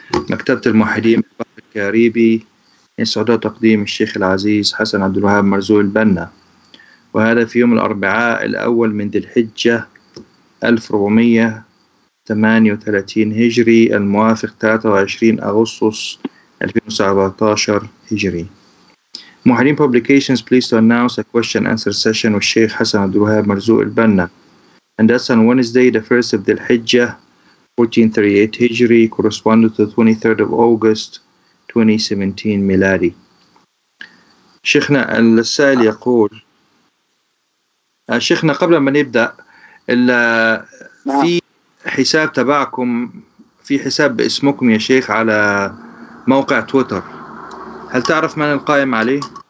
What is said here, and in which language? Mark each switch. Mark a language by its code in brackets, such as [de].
[ar] مكتبة الموحدين بالبحر الكاريبي يسعد تقديم الشيخ العزيز حسن عبد الوهاب مرزوق البنا، وهذا في يوم الأربعاء الأول من ذي الحجة 1438 هجري الموافق 23 أغسطس 2017 هجري. [en] موحدين Publications pleased to announce a question answer session with الشيخ حسن عبد الوهاب مرزوق البنا. And that's on Wednesday, the 1st of Dhul-Hijjah, 1438 Hijri, corresponding to the 23rd of August, 2017 Miladi. [ar] شيخنا السائل يقول، شيخنا قبل ما نبدأ، في حساب تبعكم، في حساب باسمكم يا شيخ على موقع تويتر، هل تعرف من القائم عليه؟